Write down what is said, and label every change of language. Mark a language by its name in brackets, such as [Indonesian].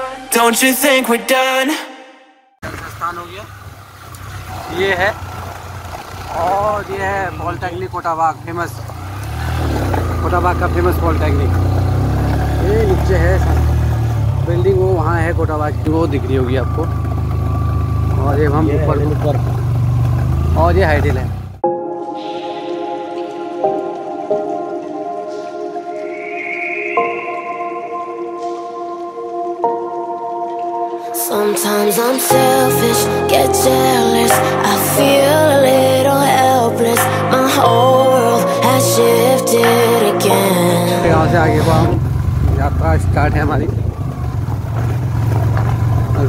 [English] Don't you think we're done? [Hindi] स्थान हो गया। ये है और ये है पॉलिटेक्निक कोटाबाग, फेमस कोटाबाग का फेमस पॉलिटेक्निक। ये नीचे है बिल्डिंग, वो वहाँ है कोटाबाग की, वो दिख रही होगी आपको। और ये हम ऊपर ऊपर और ये हाइडल है। [English] Sometimes I'm selfish, get jealous, I feel a little helpless, my whole world has shifted again. [Hindi] यहाँ से आगे बढ़ो, यात्रा स्टार्ट है हमारी।